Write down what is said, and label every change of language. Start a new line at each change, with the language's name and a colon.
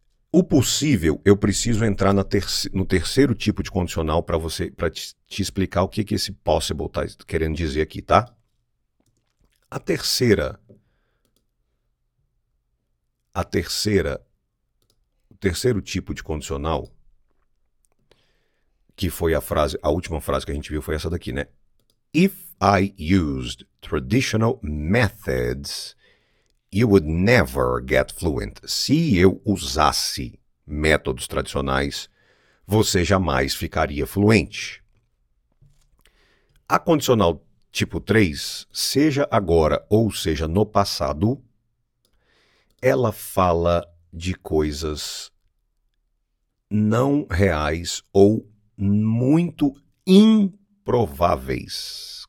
Portuguese: O possível, eu preciso entrar no terceiro tipo de condicional para você, para te explicar o que esse possible está querendo dizer aqui, tá? O terceiro tipo de condicional, que foi a última frase que a gente viu foi essa daqui, né?
English: If I used traditional methods, you would never get fluent.
Portuguese: Se eu usasse métodos tradicionais, você jamais ficaria fluente. A condicional tipo 3, seja agora ou seja no passado, ela fala de coisas não reais ou muito improváveis.